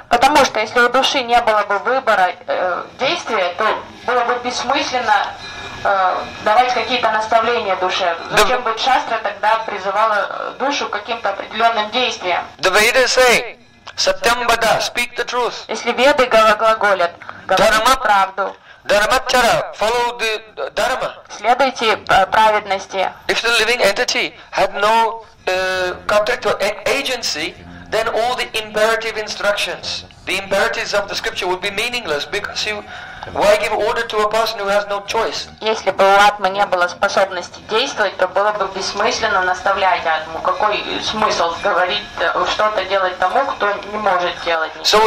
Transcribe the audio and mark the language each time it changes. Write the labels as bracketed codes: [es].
[ru] Потому что если у души не было бы выбора действия, то было бы бессмысленно давать какие-то наставления душе. Зачем бы шастра тогда призывала душу к каким-то определенным действиям? [en] The Vedas say, Satyam Bada, speak the truth. [ru] Если веды глаголят, говорите правду. [en] Dharmachara, follow the dharma. [ru] Следуйте праведности. [en] If the living entity had no contact or agency, then all the imperative instructions, the imperatives of the scripture would be meaningless because you, why give order to a person who has no choice? [ru] Если бы у атмы не было способности действовать, то было бы бессмысленно наставлять атму. Какой смысл говорить, что-то делать тому, кто не может делать ничего?